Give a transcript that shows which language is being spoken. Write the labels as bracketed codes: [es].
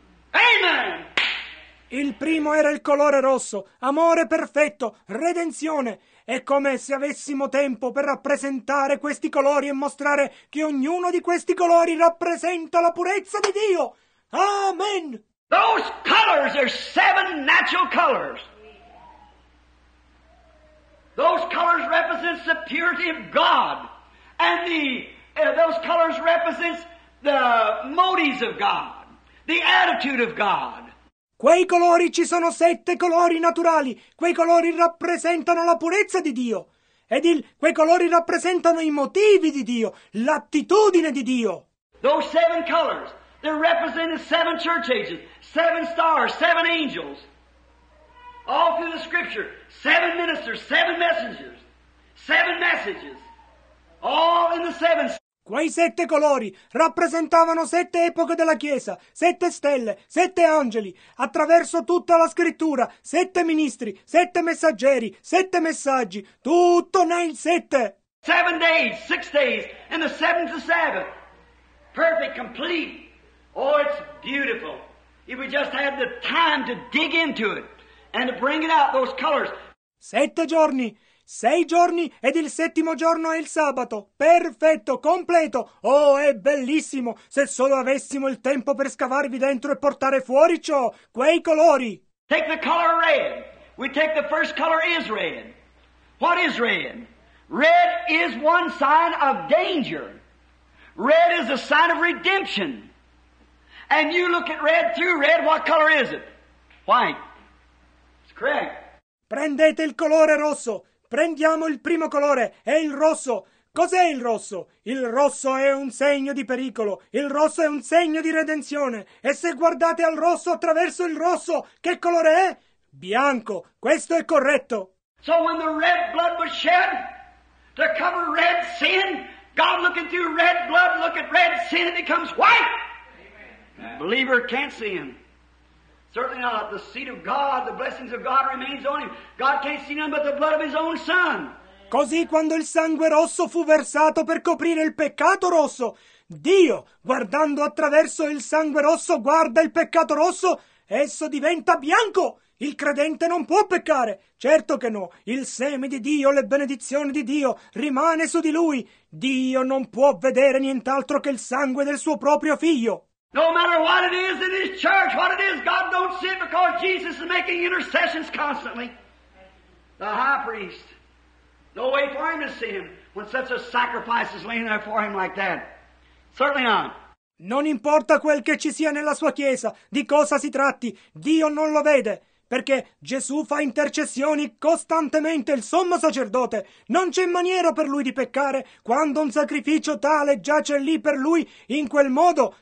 [it] Amen! Il primo era il colore rosso, amore perfetto, redenzione. È come se avessimo tempo per rappresentare questi colori e mostrare che ognuno di questi colori rappresenta la purezza di Dio. Amen! [en] Those colors are seven natural colors. Those colors represent the purity of God. And those colors represent the motives of God, the attitude of God. [it] Quei colori, ci sono sette colori naturali. Quei colori rappresentano la purezza di Dio. Ed quei colori rappresentano i motivi di Dio, l'attitudine di Dio. [en] Those seven colors, they're representing seven church ages, seven stars, seven angels. All through the scripture, seven ministers, seven messengers, seven messages. All in the seven. Quei sette colori rappresentavano sette epoche della Chiesa, sette stelle, sette angeli, attraverso tutta la scrittura, sette ministri, sette messaggeri, sette messaggi, tutto nel sette. Seven days, six days, and the seventh is Sabbath. Perfect, complete. Oh, it's beautiful. If we just had the time to dig into it and to bring it out, those colors. [it] Sette giorni, sei giorni ed il settimo giorno è il sabato. Perfetto, completo. Oh, è bellissimo. Se solo avessimo il tempo per scavarvi dentro e portare fuori ciò, quei colori. [en] Take the color red. We take the first color is red. What is red? Red is one sign of danger. Red is a sign of redemption. And you look at red through red, what color is it? White. It's correct. [it] Prendete il colore rosso. Prendiamo il primo colore, è il rosso. Cos'è il rosso? Il rosso è un segno di pericolo. Il rosso è un segno di redenzione. E se guardate al rosso attraverso il rosso, che colore è? Bianco. Questo è corretto. [en] So when the red blood was shed to cover red sin, God looking through red blood, look at red sin, it becomes white. Amen. Believer can't see him. Certainly not. The seed of God, the blessings of God remains on him. God can't see none but the blood of his own son. [it] Così quando il sangue rosso fu versato per coprire il peccato rosso, Dio, guardando attraverso il sangue rosso, guarda il peccato rosso, esso diventa bianco. Il credente non può peccare. Certo che no. Il seme di Dio, le benedizioni di Dio, rimane su di lui. Dio non può vedere nient'altro che il sangue del suo proprio figlio. [en] No matter what it is in his church, what it is, God don't see it because Jesus is making intercessions constantly. The high priest. No way for him to see him when such a sacrifice is laying there for him like that. Certainly not. [it] Non importa quel che ci sia nella sua chiesa, di cosa si tratti, Dio non lo vede, perché Gesù fa intercessioni costantemente, il sommo sacerdote. Non c'è maniera per lui di peccare quando un sacrificio tale giace lì per lui in quel modo.